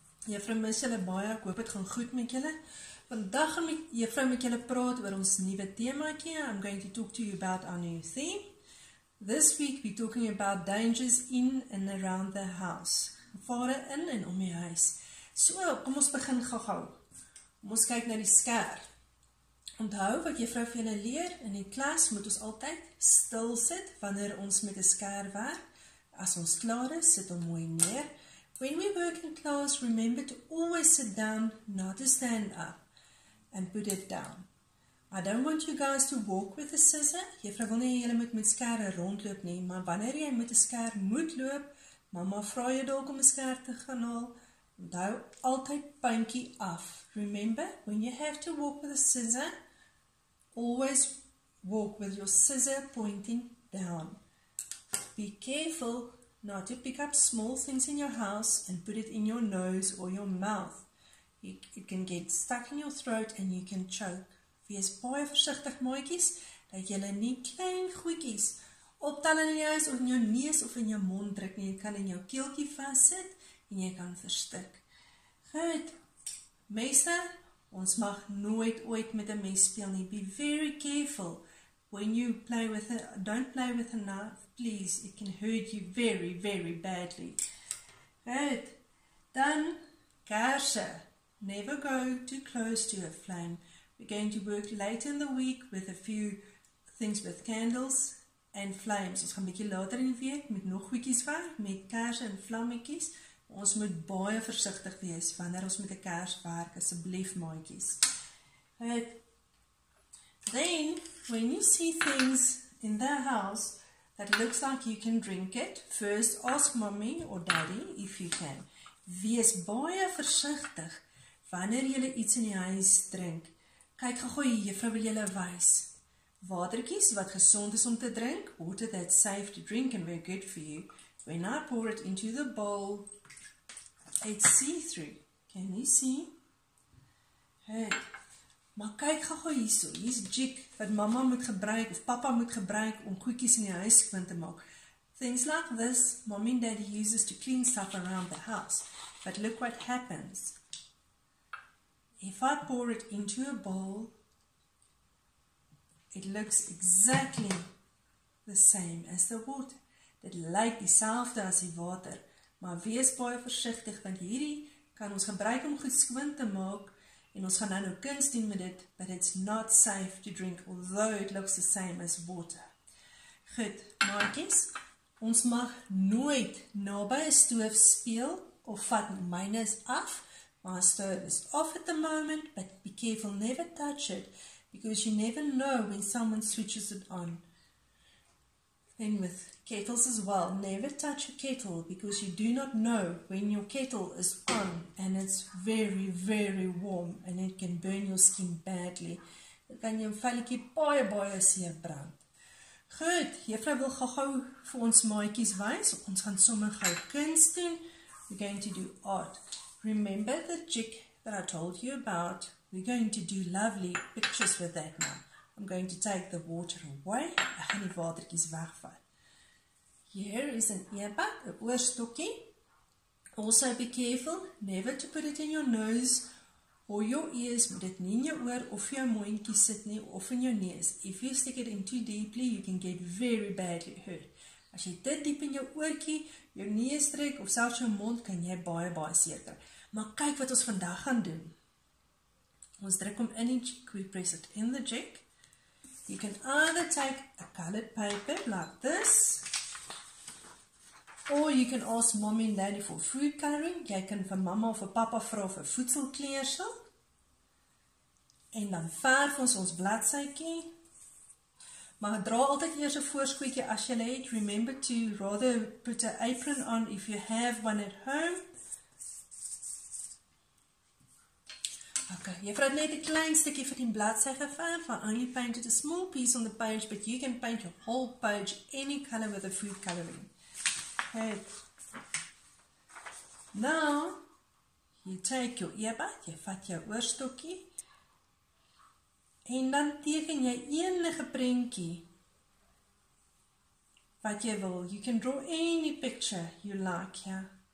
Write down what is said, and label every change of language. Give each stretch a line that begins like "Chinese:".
Afrikaans: Juffrou Michelle, baie, ek hoop het gaan goed met julle. Vandag gaan juffrou met julle praat oor ons nuwe temaatjie.
English: I'm going to talk to you about our new theme. This week we're talking about dangers in and around the house.
Afrikaans: Gevare in en om die huis. So, kom ons begin gou-gou. Kom ons kyk na die skerm. Onthou wat juffrou vir julle leer, in die klas moet ons altyd stil sit wanneer ons met 'n skerm werk. As ons klaar is, sit hom mooi neer.
English: When we work in class, remember to always sit down, not to stand up, and put it down. I don't want you guys to walk with a scissor.
Afrikaans: Juffrou wil nie julle moet met skerm rondloop nie, maar wanneer jy met 'n skerm moet loop, mama vra jou dalk om 'n skerm te gaan haal. Onthou altyd puntjie af.
English: Remember, when you have to walk with a scissor, always walk with your scissor pointing down. Be careful not to pick up small things in your house and put it in your nose or your mouth. It can get stuck in your throat and you can choke.
Afrikaans: Wees baie versigtig, maatjies, dat jylle nie klein goedjies optel in jou huis of in jou neus of in jou mond druk nie. Jy kan in jou keeltjie vastsit en jy kan verstik. Goed, mense, ons mag nooit ooit met 'n mes speel nie.
English: Be very careful when you play with a, don't play with a knife. Please, it can hurt you very, very badly. Good.
Afrikaans: Dan, kaarse.
English: Never go too close to a flame. We're going to work later in the week with a few things with candles and flames.
Afrikaans: Ons gaan bietjie later in die week met nog goedjies werk, met kaarse en vlammetjies. Ons moet baie versigtig wees wanneer ons met 'n kaars werk, asseblief maatjies.
English: Good. Then, when you see things in the house, it looks like you can drink it. First ask mommy or daddy if you can.
Afrikaans: Wees baie versigtig wanneer jy iets in die huis drink. Kyk gou-gou hier, juffrou wil julle wys. Watertjies wat gesond is om te drink,
English: water that safe to drink and very good for you. When I pour it into the bowl, it's see-through. Can you see? Hey.
Afrikaans: Maar kyk gou-gou hierso, hier's jik wat mama moet gebruik of papa moet gebruik om koekies in die huis skoon te maak.
English: Things like this, mommy and daddy uses to clean stuff around the house. But look what happens. If I pour it into a bowl, it looks exactly the same as the water.
Afrikaans: Dit lyk dieselfde as die water, maar wees baie versigtig want hierdie kan ons gebruik om goed skoon te maak. En ons gaan nou kuns doen met dit,
English: but it's not safe to drink, although it looks the same as water.
Afrikaans: Goed, maatjies, ons mag nooit naby 'n stoof speel of vat myne is af.
English: My stove is off at the moment, but be careful, never touch it, because you never know when someone switches it on. And with kettles as well, never touch a kettle because you do not know when your kettle is on and it's very, very warm and it can burn your skin badly.
Afrikaans: Dan kan jou velletjie baie, baie seer brand. Goed, juffrou wil gou-gou vir ons maatjies wys. Ons gaan sommer gou kuns doen.
English: We're going to do art. Remember the jig that I told you about? We're going to do lovely pictures with that now. I'm going to take the water away.
Afrikaans: Ek gaan die watertjies wegvat.
English: Here is an earbud, a oorstokkie. Also be careful never to put it in your nose or your ears.
Afrikaans: Moet dit nie in jou oor of jou mondjie sit nie of in jou neus.
English: If you stick it in too deeply, you can get very badly hurt.
Afrikaans: As jy dit diep in jou oortjie, jou neus trek of selfs jou mond, kan jy baie, baie seer kry. Maar kyk wat ons vandag gaan doen. Ons druk hom in die cheek,
English: we press it in the cheek. You can either take a colored paper like this, or you can ask mommy and daddy for food coloring.
Afrikaans: Jy kan vir mama of vir papa vra vir voedselkleursel. En dan verf ons bladsytjie. Maar dra altyd eers 'n voorskootjie as jy het.
English: Remember to rather put an apron on if you have one at home.
Afrikaans: Okay, juffrou het net 'n klein stukkie van die bladsy geverf.
English: I only painted a small piece on the page, but you can paint your whole page any color with a food coloring. Good. Now, you take your earbud,
Afrikaans: jy vat jou oorstokkie, en dan teken jy enige prentjie wat jy wil.
English: You can draw any picture you like, yeah.